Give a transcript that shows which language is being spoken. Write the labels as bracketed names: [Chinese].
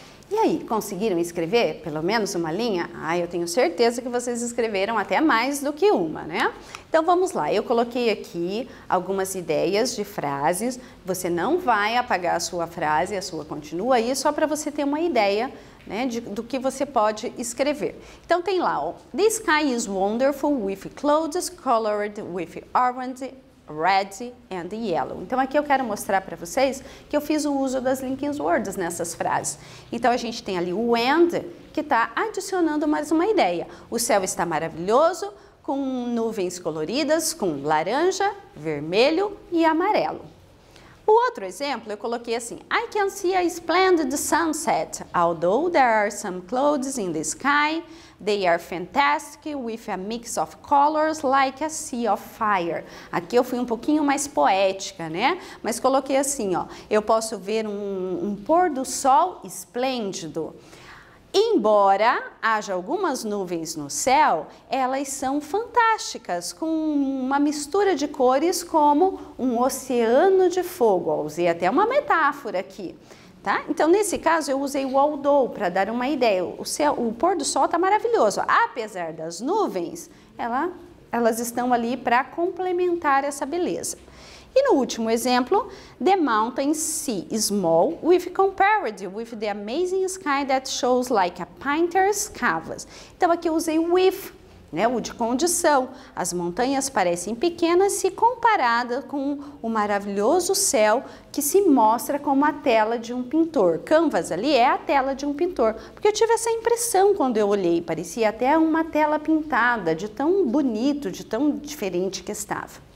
[Portuguese] E aí, conseguiram escrever pelo menos uma linha? Ah, eu tenho certeza que vocês escreveram até mais do que uma, né? Então vamos lá, eu coloquei aqui algumas ideias de frases. Você não vai apagar a sua frase, a sua continua aí, só para você ter uma ideia, né, do que você pode escrever. Então tem lá, ó, [English] "The sky is wonderful with clouds colored with orange, red and yellow." [Portuguese] Então aqui eu quero mostrar para vocês que eu fiz o uso das linking words nessas frases. Então a gente tem ali o "and", que está adicionando mais uma ideia. O céu está maravilhoso, com nuvens coloridas, com laranja, vermelho e amarelo. O outro exemplo eu coloquei assim: [English] "I can see a splendid sunset. Although there are some clouds in the sky, they are fantastic with a mix of colors like a sea of fire." [Portuguese] Aqui eu fui um pouquinho mais poética, né? Mas coloquei assim, ó: "Eu posso ver um pôr do sol esplêndido. Embora haja algumas nuvens no céu, elas são fantásticas, com uma mistura de cores como um oceano de fogo." Eu usei até uma metáfora aqui, tá? Então, nesse caso, eu usei o "although" para dar uma ideia. O céu, o pôr do sol está maravilhoso. Apesar das nuvens, elas estão ali para complementar essa beleza. E no último exemplo, [English] "The mountains see small with compared with the amazing sky that shows like a painter's canvas." [Portuguese] Então aqui eu usei o "with", né, o de condição. As montanhas parecem pequenas se comparadas com o maravilhoso céu que se mostra como a tela de um pintor. Canvas ali é a tela de um pintor, porque eu tive essa impressão quando eu olhei, parecia até uma tela pintada, de tão bonito, de tão diferente que estava.